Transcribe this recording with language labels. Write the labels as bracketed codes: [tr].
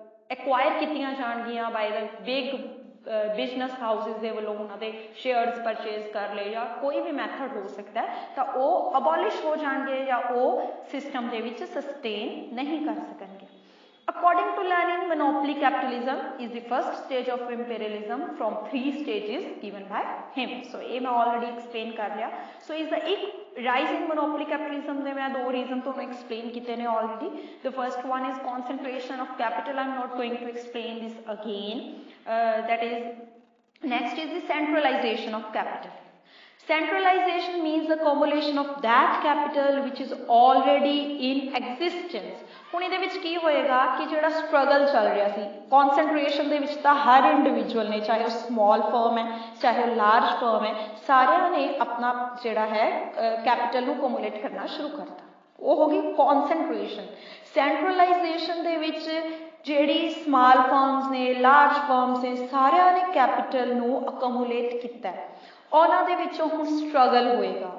[pa] Acquire ਕੀਤੀਆਂ ਜਾਣਗੀਆਂ [en] by the big business houses [pa] ਦੇ ਵੱਲੋਂ ਉਹਨਾਂ ਦੇ ਸ਼ੇਅਰਸ ਪਰਚੇਸ ਕਰ ਲਏ ਜਾਂ ਕੋਈ ਵੀ ਮੈਥਡ ਹੋ ਸਕਦਾ, ਤਾਂ ਉਹ ਅਬੋਲਿਸ਼ ਹੋ ਜਾਣਗੇ ਜਾਂ ਉਹ ਸਿਸਟਮ ਦੇ ਵਿੱਚ ਸਸਟੇਨ ਨਹੀਂ ਕਰ ਸਕਣਗੇ. [en] According to Lenin, monopoly capitalism is the first stage of imperialism from three stages given by him. So, I have already explained [pa] kar liya. [en] So, is the ek rising monopoly capitalism, there are two reasons to explain kitne already. The first one is concentration of capital. I'm not going to explain this again. That is, next is the centralization of capital. Centralization means the accumulation of that capital which is already in existence. [pa] ਹੁਣ ਇਹਦੇ ਵਿੱਚ ਕੀ ਹੋਏਗਾ ਕਿ ਜਿਹੜਾ struggle ਚੱਲ ਰਿਹਾ ਸੀ ਕੰਸੈਂਟ੍ਰੇਸ਼ਨ ਦੇ ਵਿੱਚ, ਤਾਂ ਹਰ ਇੰਡੀਵਿਜੁਅਲ ਨੇ, ਚਾਹੇ ਉਹ ਸਮਾਲ ਫਰਮ ਹੈ ਚਾਹੇ ਉਹ ਲਾਰਜ ਫਰਮ ਹੈ, ਸਾਰਿਆਂ ਨੇ ਆਪਣਾ ਜਿਹੜਾ ਹੈ ਕੈਪੀਟਲ ਨੂੰ ਕੋਮੂਲੇਟ ਕਰਨਾ ਸ਼ੁਰੂ ਕਰਤਾ. ਉਹ ਹੋ ਗਈ ਕੰਸੈਂਟ੍ਰੇਸ਼ਨ. ਸੈਂਟਰਲਾਈਜੇਸ਼ਨ ਦੇ ਵਿੱਚ ਜਿਹੜੀ ਸਮਾਲ ਫਰਮਸ ਨੇ, ਲਾਰਜ ਫਰਮਸ ਨੇ, ਸਾਰਿਆਂ ਨੇ ਕੈਪੀਟਲ ਨੂੰ ਅਕੋਮੂਲੇਟ ਕੀਤਾ, ਉਹਨਾਂ ਦੇ ਵਿੱਚੋਂ ਹੁਣ ਸਟਰਗਲ ਹੋਏਗਾ.